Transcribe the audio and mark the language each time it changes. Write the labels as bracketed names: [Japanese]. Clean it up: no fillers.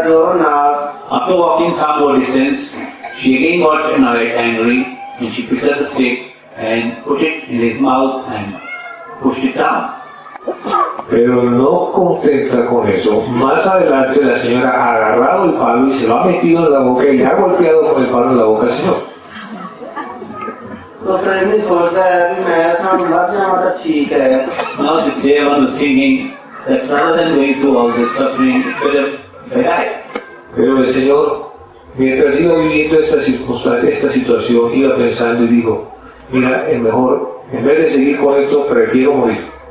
[English] After walking some more distance, she again got annoyed, angry, and she picked up the stick and put it in his mouth and pushed it down. [Spanish] Pero no contenta con eso, más adelante la señora ha agarrado el palo y se lo ha metido en la boca y le ha golpeado con el palo en la boca al señor. [English] Now the day one was thinking, that rather than going through all this suffering, it could have died. [Spanish] Pero el Señor, mientras iba viviendo esta circunstancia, esta situación, iba pensando y dijo, mira, es mejor, en vez de seguir con esto, prefiero morir.